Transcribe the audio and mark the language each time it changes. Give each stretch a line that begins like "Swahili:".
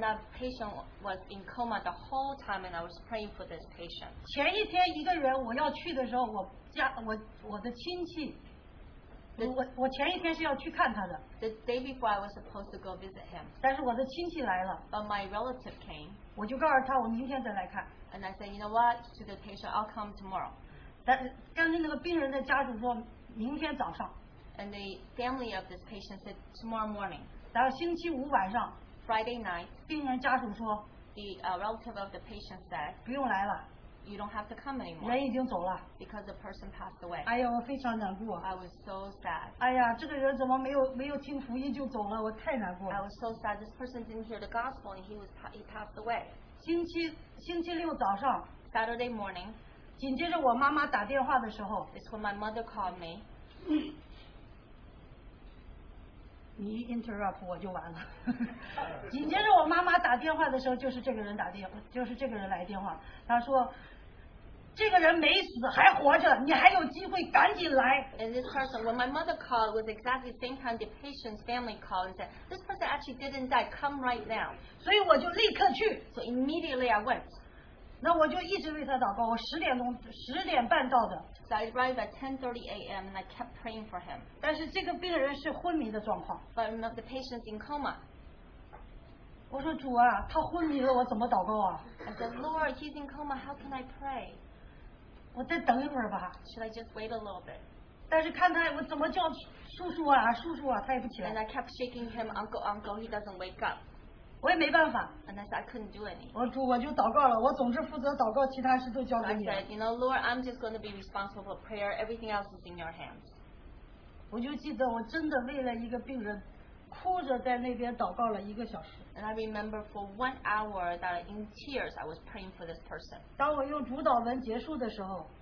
English: that patient was in coma the whole time, and I was praying for this patient.
Chinese: 前一天一个人我要去的时候，我前一天是要去看他的。
English: The day before I was supposed to go visit him.
Chinese: 但是我的亲戚来了。
English: But my relative came.
Chinese: 我就告诉他我明天再来看。
English: And I said, you know what, to the patient, I'll come tomorrow.
Chinese: 但是跟那个病人的家属说，明天早上。
English: And the family of this patient said tomorrow morning.
Chinese: 然后星期五晚上,
English: Friday night,
Chinese: 病人家属说,
English: the relative of the patient said,
Chinese: 不用来了,
English: you don't have to come anymore.
Chinese: 人已经走了,
English: because the person passed away.
Chinese: 哎呀, 我非常难过,
English: I was so sad.
Chinese: 哎呀, 这个人怎么没有听福音就走了, 我太难过了。
English: I was so sad. This person didn't hear the gospel and he passed away.
Chinese: 星期六早上,
English: Saturday morning,
Chinese: 紧接着我妈妈打电话的时候,
English: it's when my mother called me.
Chinese: 你一
English: interrupt
Chinese: 我就完了。紧接着我妈妈打电话的时候，就是这个人来电话，她说，这个人没死，还活着，你还有机会，赶紧来。
English: And this person, when my mother called, was exactly the same time the patient's family called and said, this person actually didn't die, come right now.
Chinese: 所以我就立刻去。
English: So immediately I went.
Chinese: 那我就一直为他祷告，我十点半到的。
English: So I arrived at 10:30 a.m. and I kept praying for him.
Chinese: 但是这个病人是昏迷的状况。
English: But the patient's in coma.
Chinese: 我说主啊，他昏迷了，我怎么祷告啊？
English: I said, Lord, he's in coma. How can I pray?
Chinese: 我再等一会儿吧。
English: Should I just wait a little bit?
Chinese: 但是看他，我怎么叫叔叔啊，叔叔啊，他也不起来。
English: And I kept shaking him, uncle, uncle. He doesn't wake up.
Chinese: 我也没办法。
English: And I said, I couldn't do any.
Chinese: 我就祷告了，我总是负责祷告，其他事都交给你。
English: I said, you know, Lord, I'm just going to be responsible for prayer. Everything else is in your hands.
Chinese: 我就记得我真的为了一个病人哭着在那边祷告了一个小时。
English: And I remember for 1 hour that in tears I was praying for this person.
Chinese: 当我用主导文结束的时候,